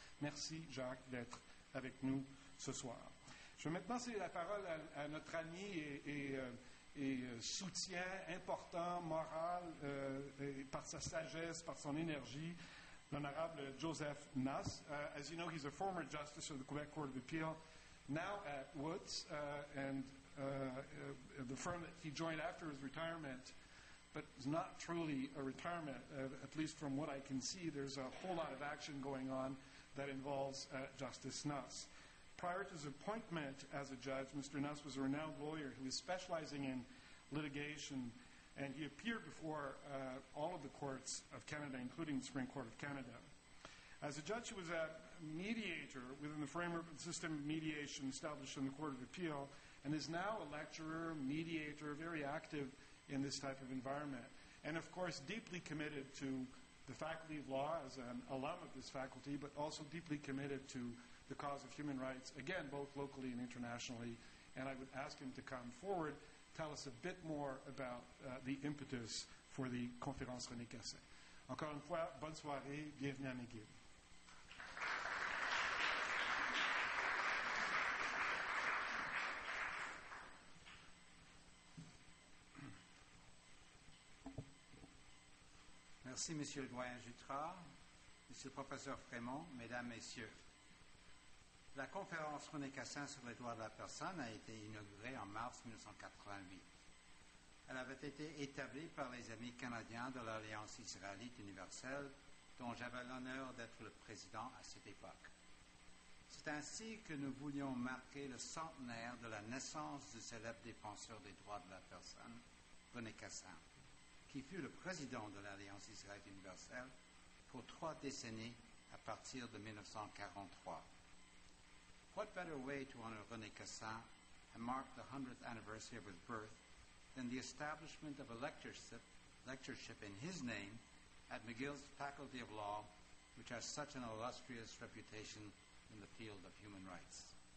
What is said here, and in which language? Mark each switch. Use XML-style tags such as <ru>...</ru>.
<fr>Merci, Jacques, d'être avec nous ce soir. Je vais maintenant céder la parole à notre ami et soutien important, moral, et par sa sagesse, par son énergie, l'honorable Joseph Nass.</fr> <en>As you know, he's a former justice of the Quebec Court of Appeal, now at Woods, and the firm that he joined after his retirement, but it's not truly a retirement, at least from what I can see. There's a whole lot of action going on that involves Justice Nass. Prior to his appointment as a judge, Mr. Nass was a renowned lawyer who was specializing in litigation, and he appeared before all of the courts of Canada, including the Supreme Court of Canada. As a judge, he was a mediator within the framework of the system of mediation established in the Court of Appeal, and is now a lecturer, mediator, very active in this type of environment, and of course deeply committed to the Faculty of Law as an alum of this faculty, but also deeply committed to the cause of human rights, again, both locally and internationally. And I would ask him to come forward, tell us a bit more about the impetus for the Conférence René Cassin.</en> <fr>Encore une fois, bonne soirée, bienvenue à McGill. Merci, Monsieur le doyen Jutras, Monsieur le professeur Frémont, Mesdames, Messieurs. La conférence René Cassin sur les droits de la personne a été inaugurée en mars 1988. Elle avait été établie par les amis canadiens de l'Alliance israélite universelle, dont j'avais l'honneur d'être le président à cette époque. C'est ainsi que nous voulions marquer le centenaire de la naissance du célèbre défenseur des droits de la personne, René Cassin, qui fut le président de l'Alliance israélite universelle pour trois décennies à partir de 1943.</fr> <en>What better way to honor René Cassin and mark the 100th anniversary of his birth than the establishment of a lectureship in his name at McGill's Faculty of Law, which has such an illustrious reputation in the field of human rights.</en>